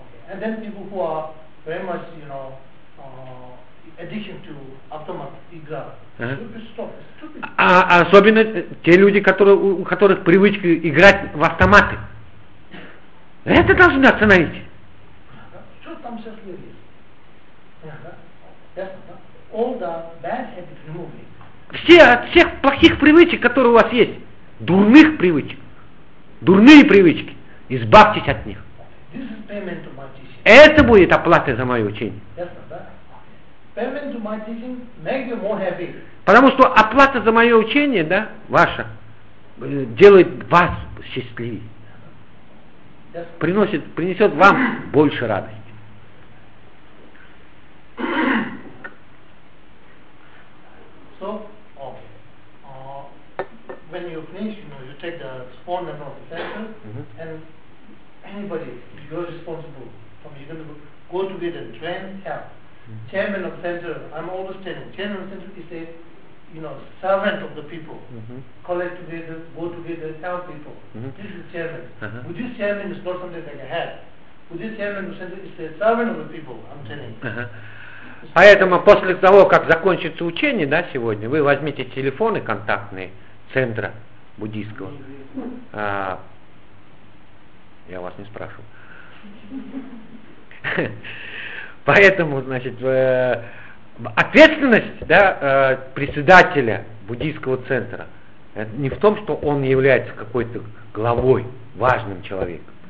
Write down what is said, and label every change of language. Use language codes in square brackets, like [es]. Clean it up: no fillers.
[en] And then people who are very much, you know, addiction to automatic [ru] игра, [en] stupid stuff, stupid. [ru] А особенно те люди, которые, у которых привычка играть в автоматы. Это должны остановить. Что там сейчас есть? Ясно, да? [en] All the bad habits removed. [ru] Все от всех плохих привычек, которые у вас есть, дурных привычек, дурные привычки, избавьтесь от них. [en] This is payment to my. [ru] Это будет оплатой за мое учение. [en] Payment to my teaching make you more happy. [ru] Потому что оплата за мое учение, да, ваша, делает вас счастливее. Принесет вам больше радости. [en] So, okay. When you finish, you take the phone number of the center, and anybody, you're responsible. You're going to go together and train, help. Chairman of center, I'm always telling, chairman of center is a, you know, servant of the people. Collect together, go together, help people. This is chairman. Buddhist chairman is not something like a head. Buddhist chairman of center is a servant of the people, I'm telling you. [ru] Поэтому после того, как закончится учение, да, сегодня, вы возьмите телефоны контактные центра буддийского. Я вас не спрашиваю. Поэтому, значит, ответственность, да, председателя буддийского центра не в том, что он является какой-то главой, важным человеком.